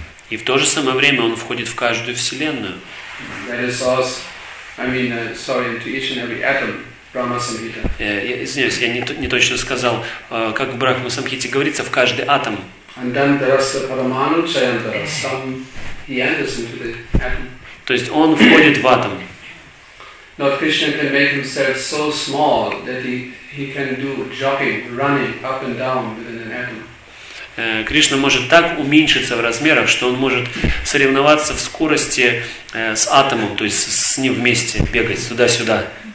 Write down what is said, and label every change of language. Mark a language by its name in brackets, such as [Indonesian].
[Russian] И в то же самое время он входит в каждую вселенную. [English] That is also, I mean, sorry, into each and every atom, Brahma Samhita. [Russian] Извиняюсь, я не точно сказал, как в Брахма Самхите говорится, в каждый атом. [English] And then there is the Paramanu Chayantara, some, he enters into the atom. [Russian] То есть он входит в атом. [English] Lord Krishna can make himself so small that he can do jogging, running up and down within an atom. [Russian] Кришна может так уменьшиться в размерах, что он может соревноваться в скорости с атомом, то есть с ним вместе бегать туда-сюда.